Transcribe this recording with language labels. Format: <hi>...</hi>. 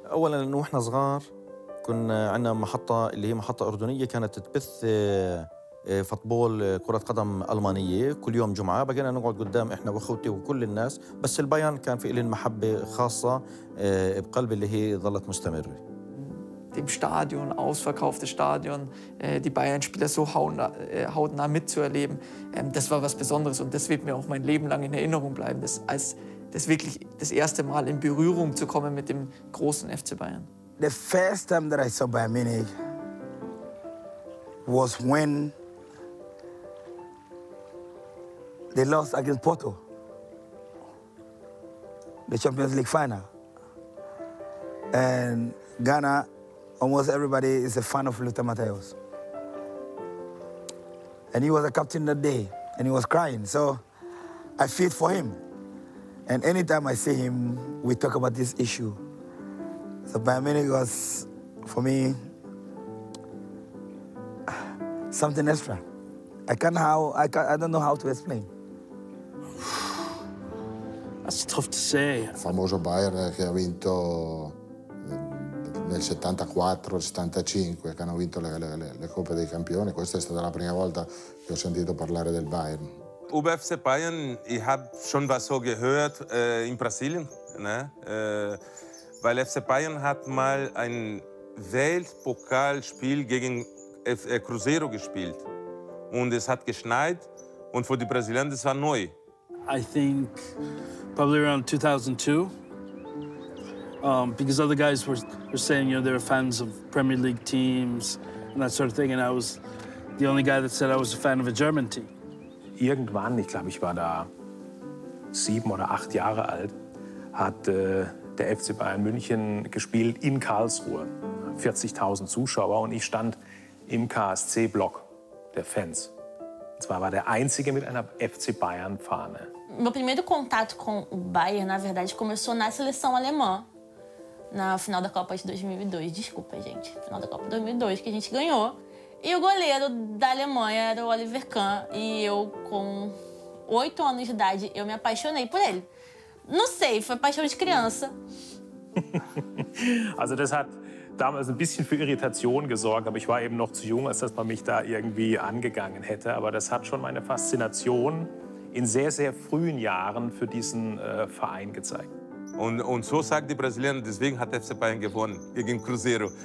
<ar>أولاً وإحنا صغار كنا عندنا محطة اللي هي محطة أردنية كانت تبث فوتبول كرة قدم ألمانية كل يوم جمعة بقينا نقعد قدام إحنا وأخوتي وكل الناس بس البايرن كان في إلين محبة خاصة بقلبي اللي هي ظلت مستمرة.</ar> <de>Im Stadion, ausverkauftes Stadion, die Bayern-Spieler so hautnah mitzuerleben, das war was Besonderes und das wird mir auch mein Leben lang in Erinnerung bleiben, das als das wirklich das erste Mal in Berührung zu kommen mit dem großen FC Bayern.</de> <en>The first time that I saw Bayern Munich was when they lost against Porto, the Champions League final. And Ghana, almost everybody is a fan of Lothar Matthäus. And he was a captain that day, and he was crying. So I feel for him. And anytime I see him, we talk about this issue. So Bayern Munich was, for me, something extra. I don't know how to explain. That's tough to say.</en> <it>Il famoso Bayern che ha vinto nel 74-75, che hanno vinto le Coppe dei Campioni. Questa è stata la prima volta che ho sentito parlare del Bayern.</it> <de>Über FC Bayern, ich habe schon was so gehört in Brasilien, ne? Weil FC Bayern hat mal ein Weltpokalspiel gegen Cruzeiro gespielt. Und es hat geschneit und für die Brasilianer das war neu.</de> <en>I think probably around 2002, because other guys were saying, you know, they were fans of Premier League teams and that sort of thing, and I was the only guy that said I was a fan of a German team.</en> <de>Irgendwann, ich glaube, ich war da 7 oder 8 Jahre alt, hat der FC Bayern München gespielt in Karlsruhe. 40.000 Zuschauer und ich stand im KSC-Block der Fans. Und zwar war der Einzige mit einer FC Bayern-Fahne.</de> <pt>Meu primeiro contato com o Bayern, na verdade, começou na seleção alemã, na final da Copa de 2002. Desculpa, gente. Final da Copa de 2002, que a gente ganhou. E o goleiro da Alemanha era o Oliver Kahn. E eu, com 8 anos de idade, eu me apaixonei por ele. Não sei, foi paixão de criança.</pt> <de>Also, das hat damals ein bisschen für Irritation gesorgt, aber ich war eben noch zu jung, als dass man mich da irgendwie angegangen hätte. Aber das hat schon meine Faszination in sehr, sehr frühen Jahren für diesen Verein gezeigt. Und so sagt die Brasilianer, deswegen hat FC Bayern gewonnen gegen Cruzeiro.</de>